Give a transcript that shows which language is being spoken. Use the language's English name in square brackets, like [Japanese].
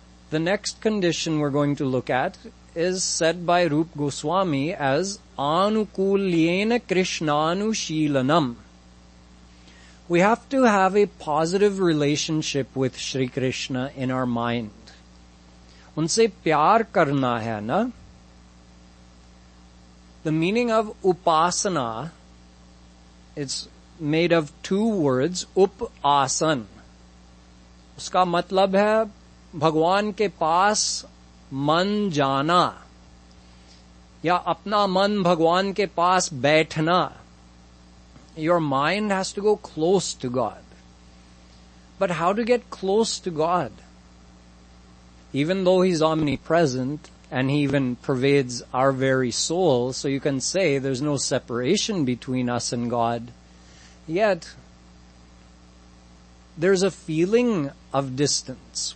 [English] The next condition we're going to look at is said by Rupa Goswami as anukulyena krishnanushilanam. We have to have a positive relationship with Shri Krishna in our mind. [Hindi] उनसे प्यार करना है ना? [English] The meaning of upasana, it's made of two words, upasan. [Hindi] उसका मतलब है भगवान के पास मन जाना। या अपना मन भगवान के पास बैठना। [English] Your mind has to go close to God. But how to get close to God? Even though He's omnipresent and He even pervades our very soul, so you can say there's no separation between us and God, yet there's a feeling of distance.